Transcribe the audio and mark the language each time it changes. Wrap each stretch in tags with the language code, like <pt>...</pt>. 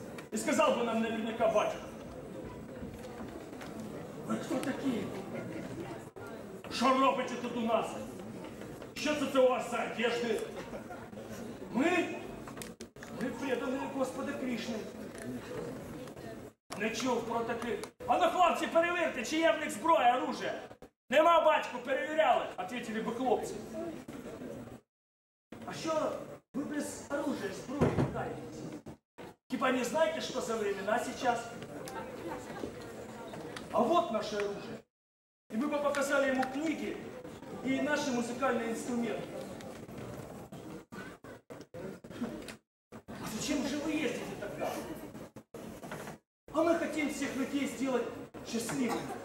<ru>И сказал бы нам наверняка батюшка. Вы кто такие? Что робите тут у нас? Что это у вас за одежды? Мы преданные Господа Кришны.</ru> <uk>На чого протоки? А ну, хлопці, перевірте, чи є в них зброя, оружие? Нема, батьку, перевіряли,</uk> <ru>ответили бы</ru> <uk>хлопці. А що ви без оружия, зброї питаєтесь? Типа не знаєте,</uk> <ru>що за времена сейчас? А вот наше оружие. И мы бы показали ему книги и наши музыкальные инструменты. А зачем же вы ездите тогда? А мы хотим всех людей сделать счастливыми.</ru>